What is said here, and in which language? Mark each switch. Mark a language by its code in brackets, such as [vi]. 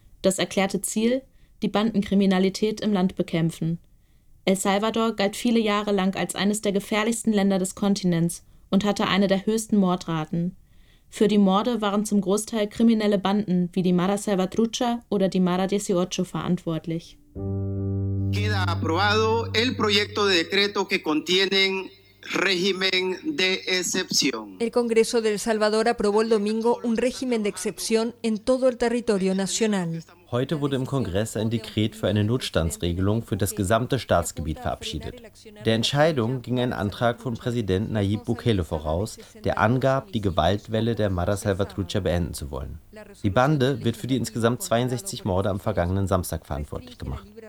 [de] Das erklärte Ziel? Die Bandenkriminalität im Land bekämpfen. El Salvador galt viele Jahre lang als eines der gefährlichsten Länder des Kontinents und hatte eine der höchsten Mordraten. Für die Morde waren zum Großteil kriminelle Banden wie die Mara Salvatrucha oder die Mara 18 verantwortlich. [es] Queda aprobado el proyecto de decreto que contienen régimen de excepción. El Congreso de El Salvador aprobó el domingo un régimen de excepción en todo el territorio nacional. [de] Heute wurde im Kongress ein Dekret für eine Notstandsregelung für das gesamte Staatsgebiet verabschiedet. Der Entscheidung ging ein Antrag von Präsident Nayib Bukele voraus, der angab, die Gewaltwelle der Mara Salvatrucha beenden zu wollen. Die Bande wird für die insgesamt 62 Morde am vergangenen Samstag verantwortlich gemacht.